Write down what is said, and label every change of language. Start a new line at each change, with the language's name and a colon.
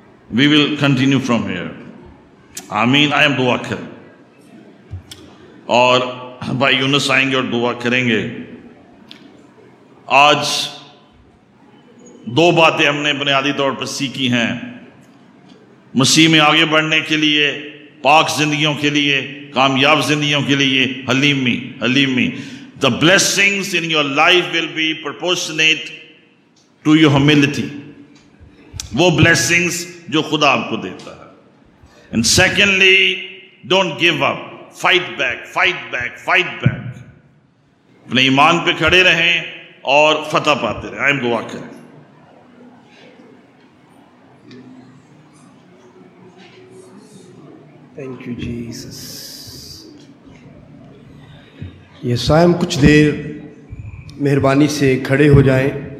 English: We will continue from here.
Urdu: آمین. I am دعا کر, اور بھائی یونس آئیں گے اور دعا کریں گے. آج دو باتیں ہم نے بنیادی طور پر سیکھی ہیں, مسیح میں آگے بڑھنے کے لیے, پاک زندگیوں کے لیے, کامیاب زندگیوں کے لیے. حلیمی حلیمی,
English: the blessings in your life will be proportionate to your humility.
Urdu: وہ blessings جو خدا آپ کو دیتا ہے.
English: And secondly, don't give up. Fight back, fight back, fight back.
Urdu: اپنے ایمان پہ کھڑے رہیں اور فتح پاتے رہیں. آئیں دعا کریں.
English: Thank you Jesus.
Urdu: یسوع, ہم کچھ دیر مہربانی سے کھڑے ہو جائیں.